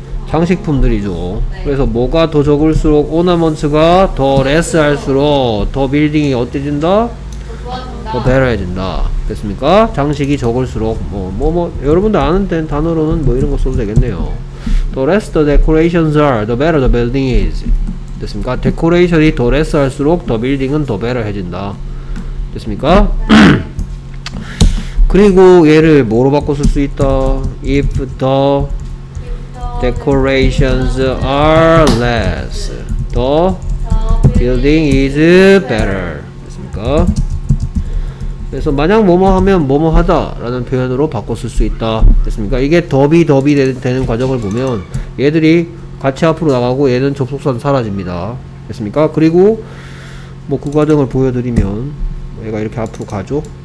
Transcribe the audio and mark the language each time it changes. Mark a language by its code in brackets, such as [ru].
[ko] 장식품들이죠. 네. 그래서 뭐가 더 적을수록 오너먼트가 더 레스 할수록 더 빌딩이 어때진다? 더 배려해진다. 됐습니까? 장식이 적을수록 뭐 여러분들 아는 단어로는 뭐 이런 거 써도 되겠네요. [en] The less the decorations are, the better the building is. [ko] 됐습니까? 데코레이션이 더 레스 할수록 더 빌딩은 더 배려해진다. 됐습니까? 그리고 얘를 뭐로 바꿔 쓸 수 있다? [en] If the decorations are less, the building is better. [ko] 됐습니까? 그래서 만약 뭐뭐 하면 뭐뭐 하다 라는 표현으로 바꿔 쓸 수 있다. 됐습니까? 이게 더비 되는 과정을 보면 얘들이 같이 앞으로 나가고 얘는 접속선 사라집니다. 됐습니까? 그리고 뭐 그 과정을 보여드리면 얘가 이렇게 앞으로 가죠.